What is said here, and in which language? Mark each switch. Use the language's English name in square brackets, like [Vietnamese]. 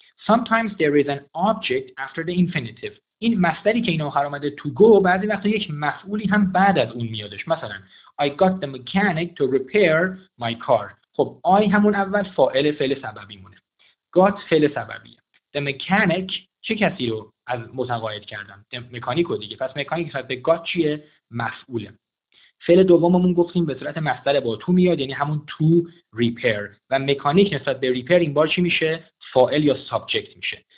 [English] Sometimes there is an object after the infinitive. [Persian] این مصدری که این آخر اومده to go، بعضی وقتا یک مفعولی هم بعد از اون میادش. [English] مثلا I got the mechanic to repair my car. [Persian] خب I همون اول فاعل فعل سببی مونه، got فعل سببیه، the mechanic چه کسی رو از متقاعد کردم؟ مکانیک رو دیگه. پس مکانیک نسبت به got چیه؟ مفعوله. فعل دوممون گفتیم به صورت مصدر با تو میاد، یعنی همون تو repair، و مکانیک نسبت به repair این بار چی میشه؟ فاعل یا subject میشه.